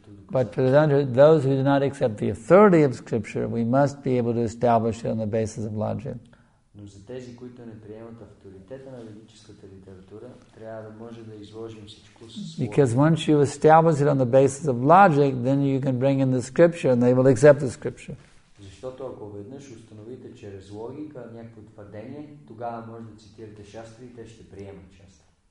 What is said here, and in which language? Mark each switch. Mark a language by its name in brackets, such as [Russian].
[English] But for those who do not accept the authority of scripture, we must be able to establish it on the basis of logic. [Bulgarian] Но за тези, които не приемат авторитета на ведическата литература, трябва да може да изложим всичко със своя. [English] Because once you establish it on the basis of logic, then you can bring in the scripture and they will accept the scripture. [Bulgarian] Защото ако веднъж установите чрез логика някакво твърдение, тогава може да цитирате шастри и те ще приемат шастри.